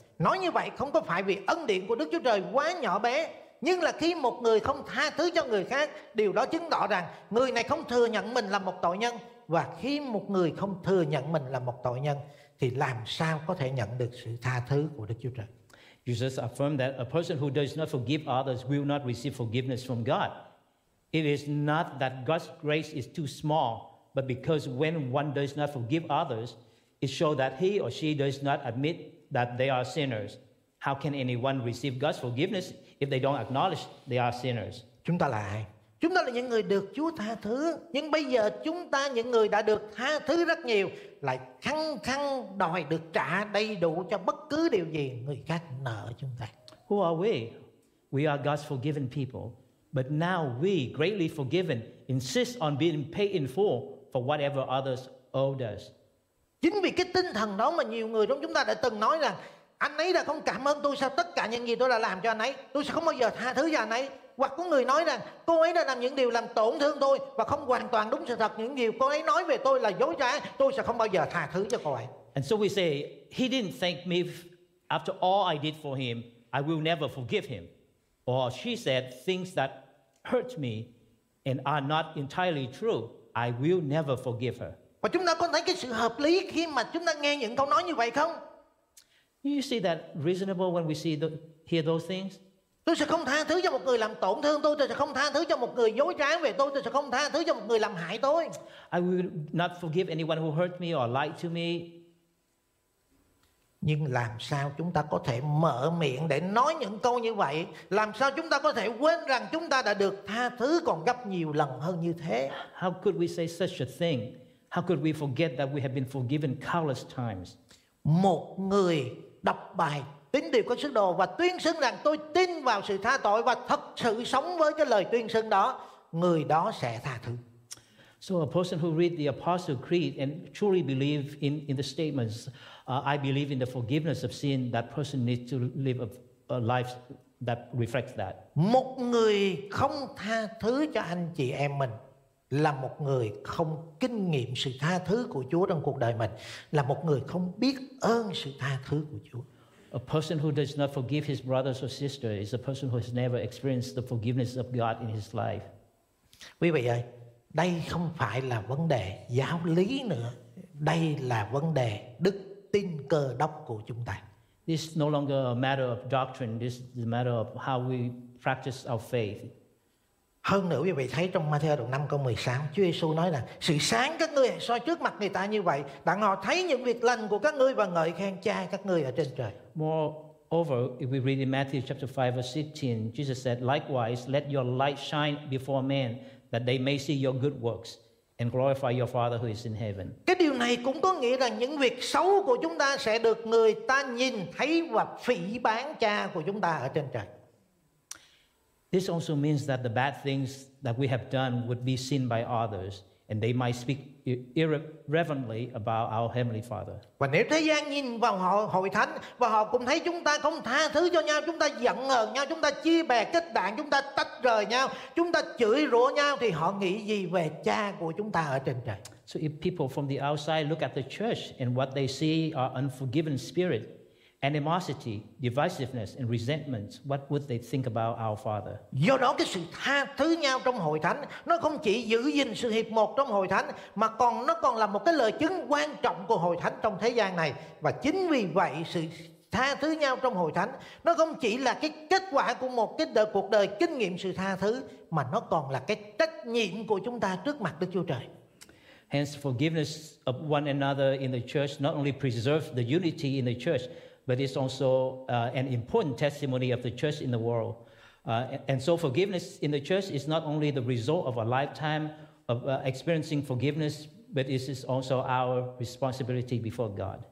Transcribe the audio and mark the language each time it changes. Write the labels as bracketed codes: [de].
[vi] Nói như vậy không có phải vì ân điển của Đức Chúa Trời quá nhỏ bé, nhưng là khi một người không tha thứ cho người khác, điều đó chứng tỏ rằng người này không thừa nhận mình là một tội nhân. Và khi một người không thừa nhận mình là một tội nhân thì làm sao có thể nhận được sự tha thứ của Đức Chúa Trời? [en] Jesus affirmed that a person who does not forgive others will not receive forgiveness from God. It is not that God's grace is too small, but because when one does not forgive others, it shows that he or she does not admit that they are sinners. How can anyone receive God's forgiveness if they don't acknowledge they are sinners? [vi] Chúng ta là ai? Chúng ta là những người được Chúa tha thứ, nhưng bây giờ chúng ta những người đã được tha thứ rất nhiều lại khăng khăng đòi được trả đầy đủ cho bất cứ điều gì người khác nợ chúng ta. [en] Who are we? We are God's forgiven people, but now we, greatly forgiven, insist on being paid in full for whatever others owed us. [vi] Chính vì cái tinh thần đó mà nhiều người trong chúng ta đã từng nói rằng anh ấy đã không cảm ơn tôi sau tất cả những gì tôi đã làm cho anh ấy, tôi sẽ không bao giờ tha thứ cho anh ấy. Hoặc có người nói rằng cô ấy đã làm những điều làm tổn thương tôi và không hoàn toàn đúng sự thật, những điều cô ấy nói về tôi là dối trá, tôi sẽ không bao giờ tha thứ cho cô ấy. [en] And so we say, he didn't thank me after all I did for him, I will never forgive him. Or she said, things that hurt me and are not entirely true, I will never forgive her. [vi] Và chúng ta có thấy cái sự hợp lý khi mà chúng ta nghe những câu nói như vậy không? [en] You see that reasonable when we see hear those things? [vi] Tôi sẽ không tha thứ cho một người làm tổn thương tôi sẽ không tha thứ cho một người dối trá về tôi sẽ không tha thứ cho một người làm hại tôi. [en] I will not forgive anyone who hurt me or lied to me. [vi] Nhưng làm sao chúng ta có thể mở miệng để nói những câu như vậy? Làm sao chúng ta có thể quên rằng chúng ta đã được tha thứ còn gấp nhiều lần hơn như thế? [en] How could we say such a thing? How could we forget that we have been forgiven countless times? [vi] Một người đọc bài tín điều có sứ đồ và tuyên xưng rằng tôi tin vào sự tha tội và thật sự sống với cái lời tuyên xưng đó, người đó sẽ tha thứ. [en] So a person who read the Apostle Creed and truly believe in the statements, I believe in the forgiveness of sin, that person needs to live a life that reflects that. [vi] Một người không tha thứ cho anh chị em mình là một người không kinh nghiệm sự tha thứ của Chúa trong cuộc đời mình, là một người không biết ơn sự tha thứ của Chúa. [en] A person who does not forgive his brothers or sisters is a person who has never experienced the forgiveness of God in his life. [vi] Quý vị ơi, đây không phải là vấn đề giáo lý nữa. Đây là vấn đề đức tin Cơ Đốc của chúng ta. [en] This is no longer a matter of doctrine. This is a matter of how we practice our faith. [vi] Hơn nữa, quý vị thấy trong Ma-thi-ơ đoạn 5 câu 16, Chúa Giê-xu nói là sự sáng các ngươi soi trước mặt người ta như vậy, đặng họ thấy những việc lành của các ngươi và ngợi khen Cha các ngươi ở trên trời. [en] Moreover, if we read in Matthew chapter 5 verse 16, Jesus said, likewise, let your light shine before men, that they may see your good works and glorify your Father who is in heaven. [vi] Cái điều này cũng có nghĩa là những việc xấu của chúng ta sẽ được người ta nhìn thấy và phỉ báng Cha của chúng ta ở trên trời. [en] This also means that the bad things that we have done would be seen by others, and they might speak irreverently about our Heavenly Father. [vi] Và nếu thế gian nhìn vào họ hội thánh và họ cũng thấy chúng ta không tha thứ cho nhau, chúng ta giận hờn nhau, chúng ta chia bè kết bạn, chúng ta tách rời nhau, chúng ta chửi rủa nhau, thì họ nghĩ gì về Cha của chúng ta ở trên trời? [en] So if people from the outside look at the church and what they see are unforgiving spirit, animosity, divisiveness, and resentment, what would they think about our Father? [vi] Do đó cái sự tha thứ nhau trong hội thánh nó không chỉ giữ gìn sự hiệp một trong hội thánh mà còn nó còn là một cái lời chứng quan trọng của hội thánh trong thế gian này. Và chính vì vậy sự tha thứ nhau trong hội thánh nó không chỉ là cái kết quả của một cái đời, cuộc đời kinh nghiệm sự tha thứ mà nó còn là cái trách nhiệm của chúng ta trước mặt Đức Chúa Trời. [en] Hence, forgiveness of one another in the church not only preserves the unity in the church, but it's also an important testimony of the church in the world. And so forgiveness in the church is not only the result of a lifetime of experiencing forgiveness, but it is also our responsibility before God.